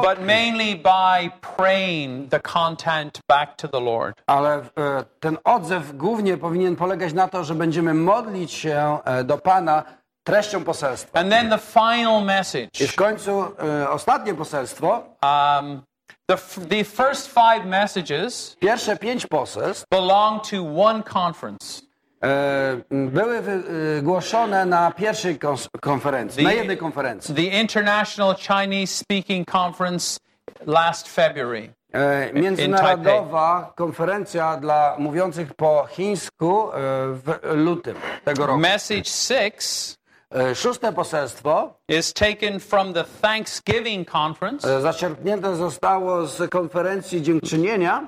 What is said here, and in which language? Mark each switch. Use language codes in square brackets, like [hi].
[en] But mainly by praying the content back to the Lord. [pl] Ale ten odzew głównie powinien polegać na to, że będziemy modlić się do Pana treścią poselstwa. [en] And then the final message. [pl] I w końcu ostatnie poselstwo. [en] The first 5 messages. [pl] Pierwsze 5 poselstw. [en] Belong to one conference. [pl] Były wygłoszone na pierwszej konferencji, na jednej konferencji. [en] The International Chinese Speaking Conference last February. [pl] Międzynarodowa konferencja dla mówiących po chińsku w lutym tego roku. [en] Message 6. [pl] Szóste poselstwo [en] is taken from the Thanksgiving conference. [pl] Zaczerpnięte zostało z konferencji dziękczynienia